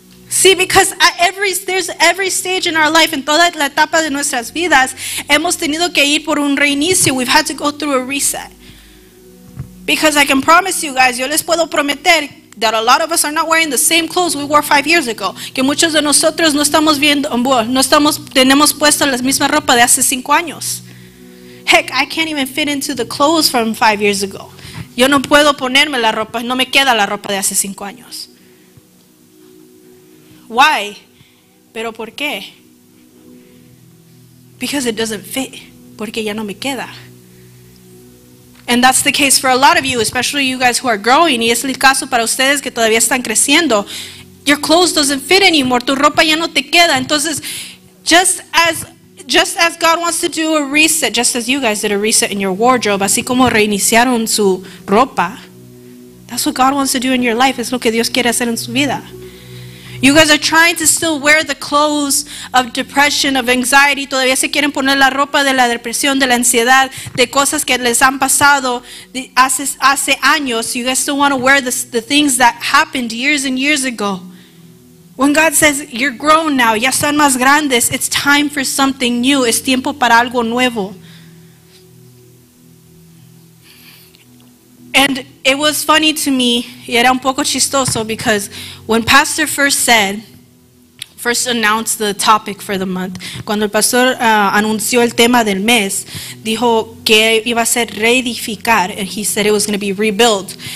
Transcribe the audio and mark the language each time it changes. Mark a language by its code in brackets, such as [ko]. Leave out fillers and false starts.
[en] See, because at every stage in our life, [es] en toda la etapa de nuestras vidas, hemos tenido que ir por un reinicio. [en] We've had to go through a reset. Because I can promise you guys, [es] yo les puedo prometer [en] that a lot of us are not wearing the same clothes we wore 5 years ago. [es] Que muchos de nosotros no estamos viendo, no estamos, tenemos puesta la misma ropa de hace 5 años. [en] Heck, I can't even fit into the clothes from 5 years ago. [es] Yo no puedo ponerme la ropa, no me queda la ropa de hace 5 años. [en] Why? [es] Pero ¿por qué? [en] Because it doesn't fit. [es] Porque ya no me queda. [en] And that's the case for a lot of you, especially you guys who are growing. [es] Y es el caso para ustedes que todavía están creciendo. [en] Your clothes doesn't fit anymore. [es] Tu ropa ya no te queda. Entonces, [en] just as God wants to do a reset, just as you guys did a reset in your wardrobe, [es] así como reiniciaron su ropa, [en] that's what God wants to do in your life. [es] Es lo que Dios quiere hacer en su vida. [en] You guys are trying to still wear the clothes of depression, of anxiety. [es] Todavía se quieren poner la ropa de la depresión, de la ansiedad, de cosas que les han pasado hace años. [en] You guys still want to wear the things that happened years and years ago. When God says, you're grown now, [es] ya están más grandes, [en] it's time for something new. [es] Es tiempo para algo nuevo. [en] And it was funny to me, [es] y era un poco chistoso, [en] because when Pastor first announced the topic for the month, [es] cuando el pastor anunció el tema del mes, dijo que iba a ser reedificar, [en] and he said it was going to be rebuild.